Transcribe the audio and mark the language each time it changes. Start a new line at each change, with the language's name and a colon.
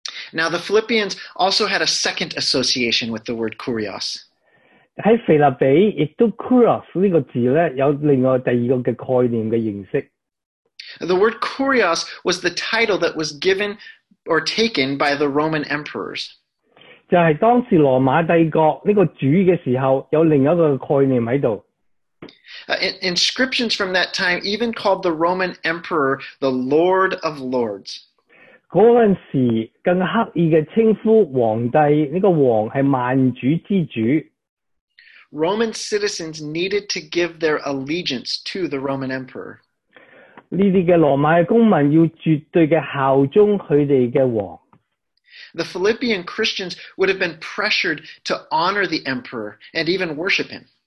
English: Now the Philippians also had a second association with the word kurios.
Chinese: 在腓立比,也都kurios这个字呢,有另外第二个概念的认识。
English: The word kurios was the title that was given or taken by the Roman emperors.
Chinese: 就是当时罗马帝国这个主的时候,有另一个概念在这里。
English: Inscriptions from that time even called the Roman emperor the Lord of Lords.
Chinese: 那时更刻意的称呼皇帝,这个王是万主之主。
English: Roman citizens needed to give their allegiance to the Roman emperor.
Chinese: 这些罗马公民要绝对的效忠他们的王。
English: The Philippian Christians would have been pressured to honor the emperor and even worship him.